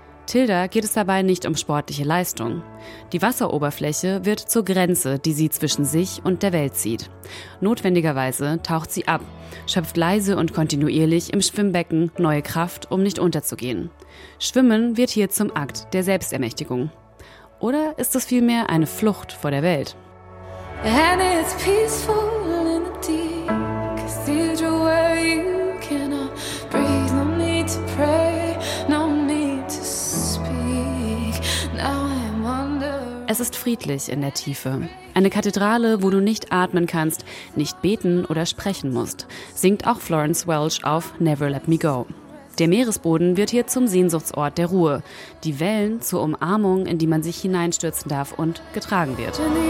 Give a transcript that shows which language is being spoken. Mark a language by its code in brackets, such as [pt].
[de] Tilda geht es dabei nicht um sportliche Leistung. Die Wasseroberfläche wird zur Grenze, die sie zwischen sich und der Welt zieht. Notwendigerweise taucht sie ab, schöpft leise und kontinuierlich im Schwimmbecken neue Kraft, um nicht unterzugehen. Schwimmen wird hier zum Akt der Selbstermächtigung. Oder ist es vielmehr eine Flucht vor der Welt? [en] And it's peaceful in the deep cathedral where you cannot breathe, no need to pray, no need to speak. Now I'm under. [de] Es ist friedlich in der Tiefe. Eine Kathedrale, wo du nicht atmen kannst, nicht beten oder sprechen musst, singt auch Florence Welch auf Never Let Me Go. Der Meeresboden wird hier zum Sehnsuchtsort der Ruhe. Die Wellen zur Umarmung, in die man sich hineinstürzen darf und getragen wird.